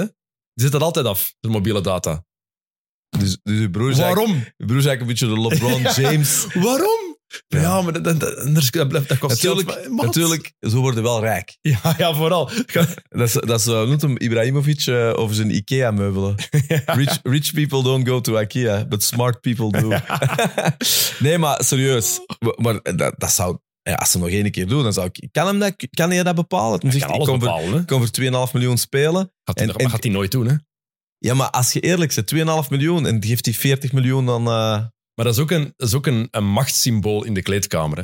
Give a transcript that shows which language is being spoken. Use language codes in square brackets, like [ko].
[nl] Die zet dat altijd af, de mobiele data. Dus je broer zei... Waarom? Je broer zei een beetje de LeBron James. Waarom? Ja, maar dat kost natuurlijk, zelf, natuurlijk, zo worden we wel rijk. Ja, vooral. Dat is noemt hem Ibrahimovic over zijn IKEA-meubelen. Ja. [en] Rich people don't go to IKEA, but smart people do. [nl] Ja. Nee, maar serieus. Maar dat zou... Ja, als ze nog 1 keer doen, dan zou ik... Kan hij dat bepalen? Hij kan alles bepalen. Ik kom voor 2,5 miljoen spelen. Gaat hij nooit doen, hè? Ja, maar als je eerlijk bent, 2,5 miljoen en geeft hij 40 miljoen, dan... Maar dat is ook een machtssymbool in de kleedkamer. Hè?